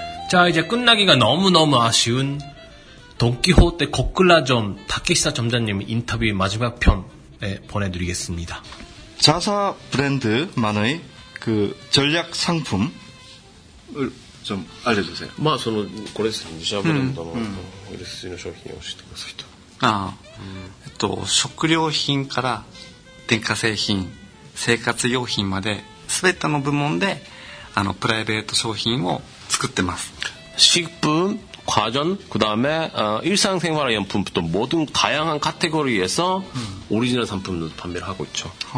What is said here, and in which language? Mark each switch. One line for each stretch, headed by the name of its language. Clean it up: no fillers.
Korean: 자 이제 끝나기가 너무 아쉬운 돈키호테 고클라점 다케시다 점자님 인터뷰 마지막 편에 보내드리겠습니다. 자사 브랜드만의 그 전략 상품을 좀 알려주세요. 뭐, 저는 그랬어요.
Japanese: 自社ブランドの売れ筋の商品を教えてくださいと。食料品から電化製品、生活用品まで、すべての部門で、プライベート商品を作ってます。食品、
Korean: 과전, 그 다음에 일상생활용품 또 모든 다양한 카테고리에서 오리지널 상품도 판매를 하고 있죠.